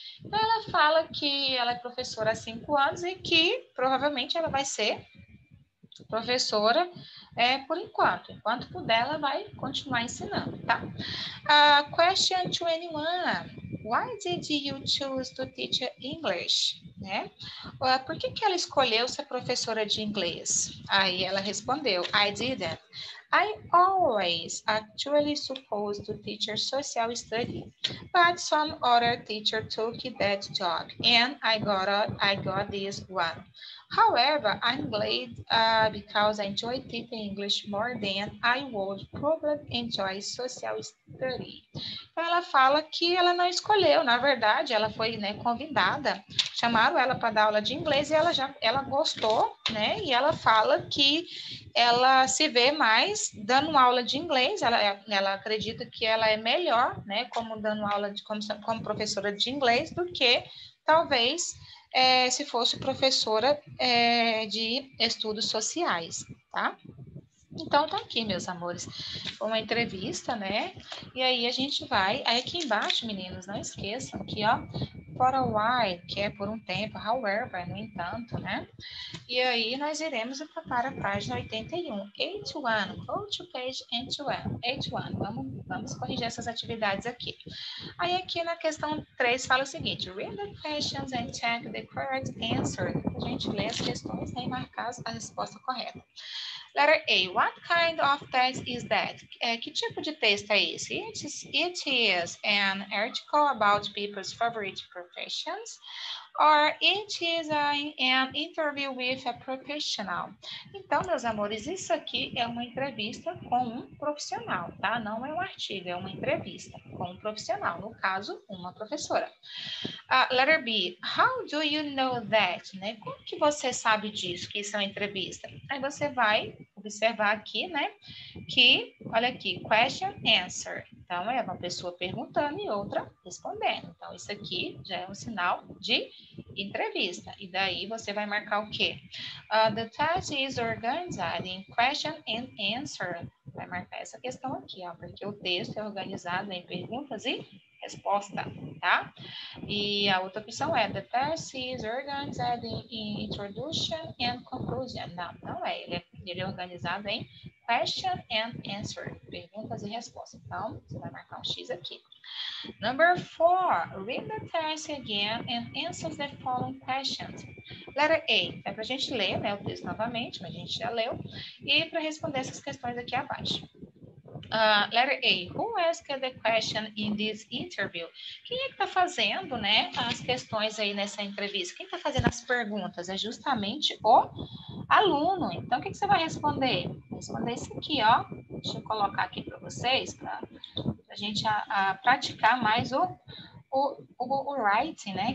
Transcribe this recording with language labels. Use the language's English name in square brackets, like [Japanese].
[Portuguese] Então ela fala que ela é professora há 5 anos e que provavelmente ela vai ser professora por enquanto. Enquanto puder, ela vai continuar ensinando, tá? [English] Question 21. Why did you choose to teach English? Né? [Portuguese] Por que que ela escolheu ser professora de inglês? Aí ela respondeu, [English] I didn't. I always actually supposed to teach social studies, but some other teacher took that job, and I got this one. However, I'm glad because I enjoy teaching English more than I would probably enjoy social studies. [Portuguese] Ela fala que ela não escolheu, na verdade, ela foi, né, convidada, chamaram ela para dar aula de inglês e ela gostou, né? E ela fala que ela se vê mais dando aula de inglês, ela acredita que ela é melhor, né, como dando aula como professora de inglês do que talvez se fosse professora de estudos sociais, tá? Então, tá aqui, meus amores, uma entrevista, né? E aí a gente vai, aí aqui embaixo, meninos, não esqueçam aqui, ó, [English] for a while, [Portuguese] que é por um tempo, however, no entanto, né? E aí nós iremos para a página 81, 81, [English] go to page 81, [Portuguese] vamos corrigir essas atividades aqui. Aí aqui na questão 3 fala o seguinte, [English] read the questions and check the correct answer. [Portuguese] A gente lê as questões, né, e marcar a resposta correta. [English] Letter A, what kind of text is that? [Portuguese] Que tipo de texto é esse? [English] It is an article about people's favorite professions, or it is an interview with a professional. [Portuguese] Então, meus amores, isso aqui é uma entrevista com um profissional, tá? Não é um artigo, é uma entrevista com um profissional, no caso, uma professora. [English] Letter B, how do you know that? [Portuguese] Né? Como que você sabe disso, que isso é uma entrevista? Aí você vai observar aqui, né, que, olha aqui, question, answer. Então, é uma pessoa perguntando e outra respondendo. Então, isso aqui já é um sinal de entrevista. E daí você vai marcar o quê? [English] The task is organized in question and answer. [Portuguese] Vai marcar essa questão aqui, ó, porque o texto é organizado em perguntas e resposta, tá? E a outra opção é [English] the task is organized in introduction and conclusion. [Portuguese] Não é. Ele é organizado em [English] question and answer, [Portuguese] perguntas e respostas. Então, você vai marcar um X aqui. [English] Number 4, read the text again and answer the following questions. [Portuguese] Letter A, é para a gente ler, né, o texto novamente, mas a gente já leu, e para responder essas questões aqui abaixo. [English] Letter A, who asked the question in this interview? [Portuguese] Quem é que está fazendo, né, as questões aí nessa entrevista? Quem está fazendo as perguntas? É justamente o aluno. Então, o que, que você vai responder? Responder isso aqui, ó. Deixa eu colocar aqui para vocês, para a gente praticar mais o writing, né?